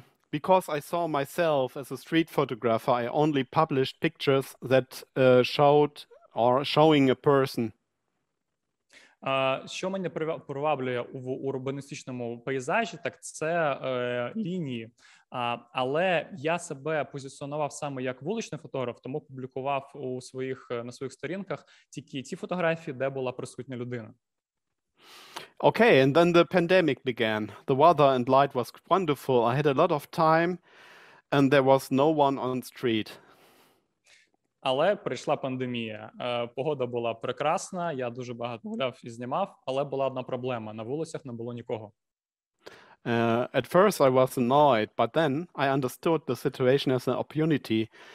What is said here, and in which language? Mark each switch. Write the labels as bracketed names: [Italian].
[English] Because I saw myself as a street photographer, I only published pictures that showed or showing a person. [Ukrainian] Що мене приваблює в урбаністичному пейзажі, так це лінії. Але я себе позиціонував саме як вуличний фотограф, тому публікував на своїх сторінках тільки ті фотографії, де була присутня людина. [English] Okay, and then the pandemic began. The weather and light was wonderful. I had a lot of time and there was no one on the street. [Ukrainian] Але прийшла пандемія. Погода була прекрасна, я дуже багато гуляв і знімав, але була одна проблема. На вулицях не було нікого. [English] At first I was annoyed, but then I understood the situation as an opportunity.